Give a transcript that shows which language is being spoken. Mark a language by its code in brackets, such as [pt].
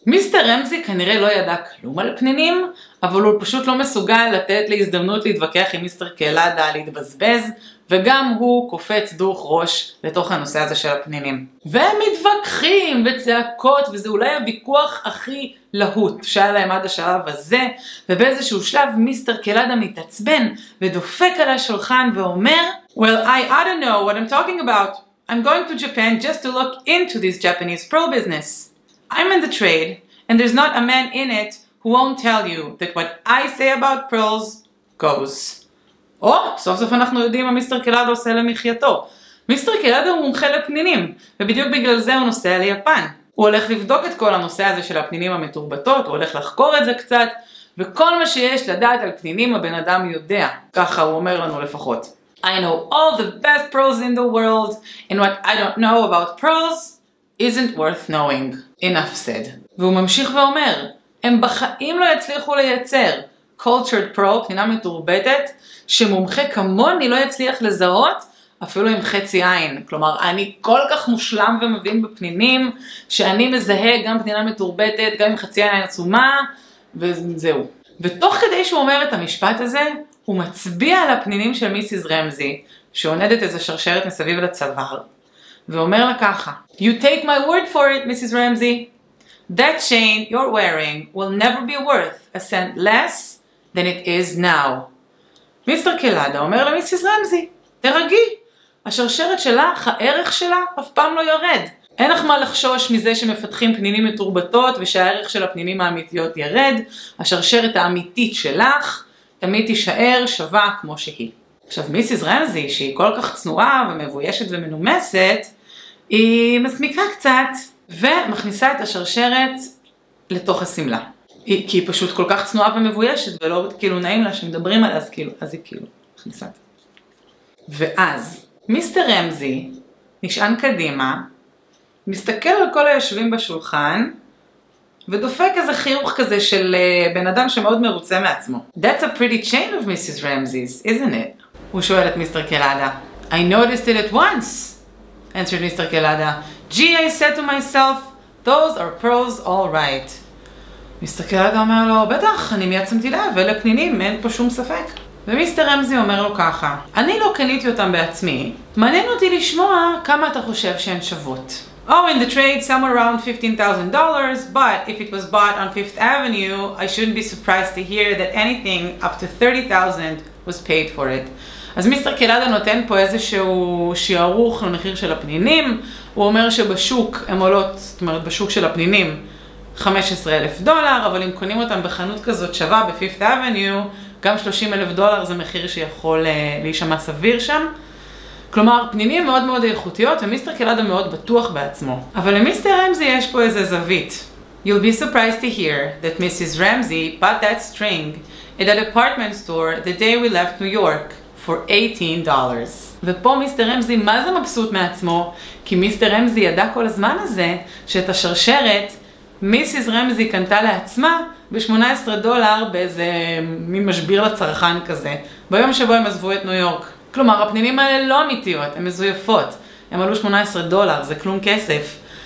[he] מיסטר רמזי כנראה לא ידע כלום על פנינים, אבל הוא פשוט לא מסוגל לתת להזדמנות להתווכח עם מיסטר קלאדה להתבזבז, וגם הוא קופץ דוח ראש לתוך הנושא הזה של הפנינים. והם מתווכחים וצעקות, וזה אולי הוויכוח הכי להוט שהיה להם עד השלב הזה, ובאיזשהו שלב מיסטר קלאדה מתעצבן ודופק על השולחן ואומר, [en] Well, I don't know what I'm talking about. I'm going to Japan just to look into this Japanese pearl business. I'm in the trade, and there's not a man in it who won't tell you that what I say about pearls goes. [he] או, סוף סוף אנחנו יודעים מה מיסטר קלאדה עושה למחייתו. מיסטר קלאדה הוא מומחה לפנינים, ובדיוק בגלל זה הוא נוסע ליפן. הוא הולך לבדוק את כל הנושא הזה של הפנינים המתורבתות, הוא הולך לחקור את זה קצת, וכל מה שיש לדעת על פנינים הבן אדם יודע. ככה הוא אומר לנו לפחות. [en] I know all the best pearls in the world, and what I don't know about pearls isn't worth knowing. Enough said. [he] והוא ממשיך ואומר, הם בחיים לא יצליחו לייצר. [en] cultured pearl, [he] פנינה מתורבתת, שמומחה כמוני לא יצליח לזהות אפילו עם חצי עין. כלומר, אני כל כך מושלם ומבין בפנינים, שאני מזהה גם פנינה מתורבתת, גם עם חצי עין עצומה, וזהו. ותוך כדי שהוא אומר את המשפט הזה, הוא מצביע על הפנינים של מיסיס רמזי, שעונדת איזה שרשרת מסביב לצוואר, ואומר לה ככה, [en] You take my word for it, [he] מיסיס רמזי. [en] That chain you're wearing will never be worth a cent less than it is now. [he] מיסטר קלאדה אומר למיסיס רמזי, תרגי, השרשרת שלך, הערך שלה אף פעם לא יורד. אין לך מה לחשוש מזה שמפתחים פנינים מתורבתות ושהערך של הפנינים האמיתיות ירד, השרשרת האמיתית שלך תמיד תישאר שווה כמו שהיא. עכשיו מיסיס רמזי, שהיא כל כך צנועה ומבוישת ומנומסת, היא מסמיקה קצת ומכניסה את השרשרת לתוך השמלה. כי היא פשוט כל כך צנועה ומבוישת ולא כאילו נעים לה שמדברים עליה, אז כאילו, אז היא כאילו מכניסה את זה. ואז מיסטר רמזי נשען קדימה, מסתכל על כל היושבים בשולחן ודופק איזה חיוך כזה של בן אדם שמאוד מרוצה מעצמו. [en] That's a pretty chain of Mrs. Ramsey's, isn't it? [he] הוא שואל את מיסטר קלאדה. [en] I noticed it at once, answered Mr. Kelada. Gee, I said to myself, those are pearls all right. [he] מיסטר קלאדה אומר לו, בטח, אני מיד שמתי לב, אלה פנינים, אין פה שום ספק. ומיסטר רמזי אומר לו ככה, אני לא קניתי אותם בעצמי, מעניין אותי לשמוע כמה אתה חושב שהן שוות. [en] Oh, in the trade, somewhere around $15,000, but if it was bought on Fifth Avenue, I shouldn't be surprised to hear that anything up to $30,000 was paid for it. [he] אז מיסטר קלאדה נותן פה איזשהו שערוך למחיר של הפנינים, הוא אומר שבשוק הן עולות, זאת אומרת בשוק של הפנינים, $15,000, אבל אם קונים אותם בחנות כזאת שווה ב-5th Avenue, גם $30,000 זה מחיר שיכול להישמע סביר שם. כלומר, פנינים מאוד מאוד איכותיות, ומיסטר קלאדה מאוד בטוח בעצמו. אבל למיסטר רמזי יש פה איזה זווית. [en] You'll be surprised to hear that Mrs. Ramsey bought that string at a department store the day we left New York for $18. [he] ופה מיסטר רמזי מה זה מבסוט מעצמו, כי מיסטר רמזי ידע כל הזמן הזה שאת השרשרת מיסיס רמזי קנתה לעצמה ב-$18 באיזה ממשביר לצרכן כזה, ביום שבו הם עזבו את ניו יורק. כלומר, הפנינים האלה לא אמיתיות, הן מזויפות. הם עלו $18, זה כלום כסף.